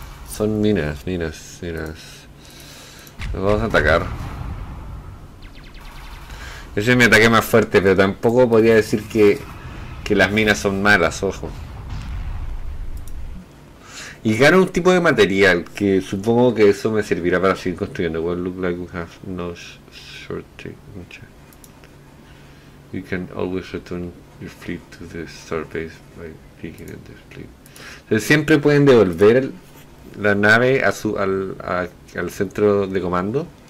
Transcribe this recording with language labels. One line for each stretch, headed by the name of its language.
Spanish: Son minas. Los vamos a atacar. Ese es mi ataque más fuerte, pero tampoco podría decir que las minas son malas, ojo. Y gano un tipo de material, que supongo que eso me servirá para seguir construyendo.
English: Well, look like we have no shortage. You can always return your fleet to the starbase by picking up the fleet.
Spanish: Entonces, siempre pueden devolver la nave al centro de comando.